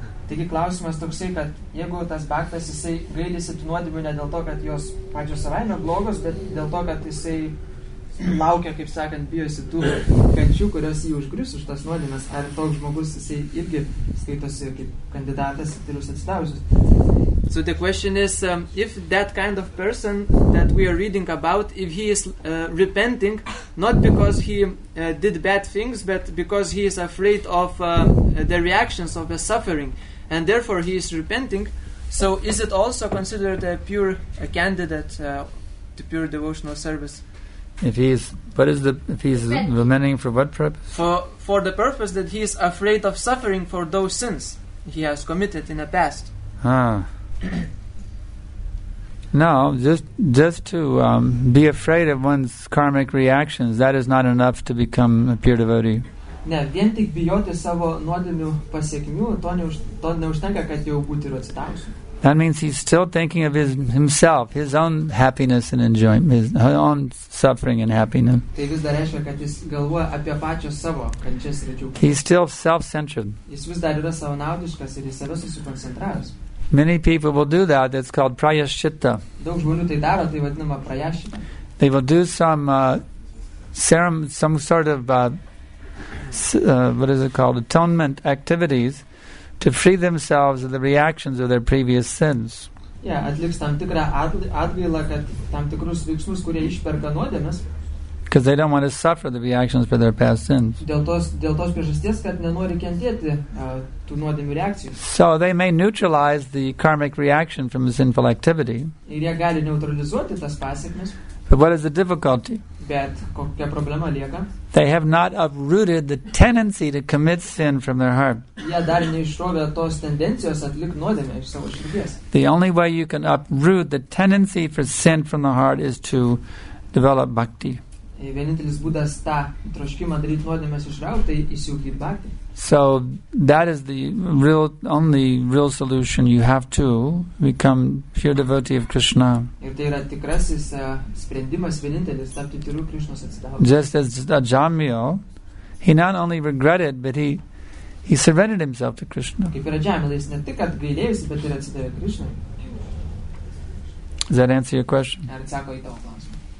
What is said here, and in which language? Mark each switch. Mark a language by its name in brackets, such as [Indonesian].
[Lithuanian] Taigi klausimas toksai, kad jeigu tas baktas jisai gailisi tų nuodėmių ne dėl to, kad jos pačios savaime blogos, bet dėl to, kad jisai laukia, kaip sakant, bijosi tų kančių, kurios jį užgrius už tas nuodėmes. Ar toks žmogus, jisai irgi skaitosi kaip kandidatas, tylius atsidavusius? [English] So the question is, if that kind of person that we are reading about, if he is repenting, not because he did bad things, but because he is afraid of the reactions of the suffering, and therefore he is repenting, so is it also considered a candidate to pure devotional service? If he is lamenting for what purpose? For the purpose that he is afraid of suffering for those sins he has committed in the past. Ah. No, just to be afraid of one's karmic reactions, that is not enough to become a pure devotee. [Lithuanian] Ne, vien tik bijoti savo nuodėmių pasiekmių, to neužtenka, kad jau būti ir atsitavusiu. [English] That means he's still thinking of himself, his own happiness and enjoyment, his own suffering and happiness. [Lithuanian] Tai vis dar reiškia, kad jis galvoja apie pačios savo kančias ir džiaugsmus. [English] He's still self-centered. [Lithuanian] Jis vis dar yra savanaudiškas ir jis yra susikoncentravęs. [English] Many people will do that. It's called prayaschitta. [Lithuanian] Daug žmonių tai daro, tai vadinama prayaschitta. [English] They will do atonement activities to free themselves of the reactions of their previous sins. [Lithuanian] Yeah, atliks tam tikrą atgailą, kad tam tikrus veiksmus, kurie išperka nuodėmes. [English] Because they don't want to suffer the reactions for their past sins. [Lithuanian] Dėl tos priežasties, kad nenori kentėti tų nuodėmių reakcijų. [English] So they may neutralize the karmic reaction from the sinful activity. [Lithuanian] Ir jie gali neutralizuoti tas pasekmes. [English] But what is the difficulty? [Lithuanian] Bet kokia problema lieka? [English] They have not uprooted the tendency to commit sin from their heart. [Lithuanian] Jie dar neišrovė tos tendencijos atlikti nuodėmę iš savo širdies. [English] The only way you can uproot the tendency for sin from the heart is to develop bhakti. [Lithuanian] Vienintelis būdas tą troškimą daryti nuodėmės išraukti, tai įsijaukyti bhakti. [English] So that is the real, only real solution you have to become pure devotee of Krishna. [Lithuanian] Ir tai yra tikrasis sprendimas, vienintelis, tapti tyru Krishnos atsidavusiu. [English] Just as Ajamiyo, he not only regretted, but he surrendered himself to Krishna. [Lithuanian] Kaip ir Ajamiyo, jis ne tik atgailėjusi, bet ir atsidavė Krishna. [English] Does that answer your question? [Lithuanian] Ar atsako į tavo klausimą?